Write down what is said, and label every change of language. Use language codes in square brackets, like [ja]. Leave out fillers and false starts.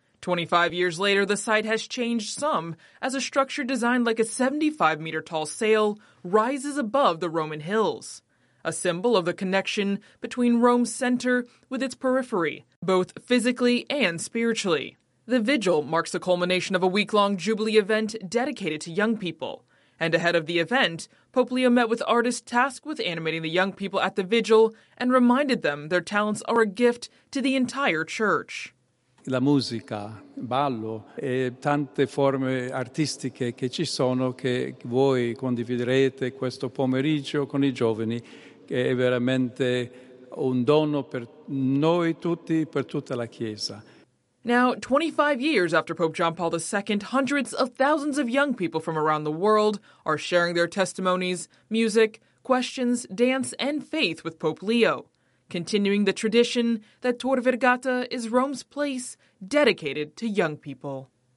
[en] 25 years later, the site has changed some as a structure designed like a 75-meter-tall sail rises above the Roman hills, a symbol of the connection between Rome's center with its periphery, both physically and spiritually. The vigil marks the culmination of a week-long Jubilee event dedicated to young people. And ahead of the event, Pope Leo met with artists tasked with animating the young people at the vigil and reminded them their talents are a gift to the entire church. [it] La musica, ballo, e tante forme artistiche che ci sono che voi condividerete questo pomeriggio con i giovani, che è veramente un dono per noi tutti, per tutta la Chiesa. [en] Now, 25 years after Pope John Paul II, hundreds of thousands of young people from around the world are sharing their testimonies, music, questions, dance, and faith with Pope Leo, continuing the tradition that Tor Vergata is Rome's place dedicated to young people.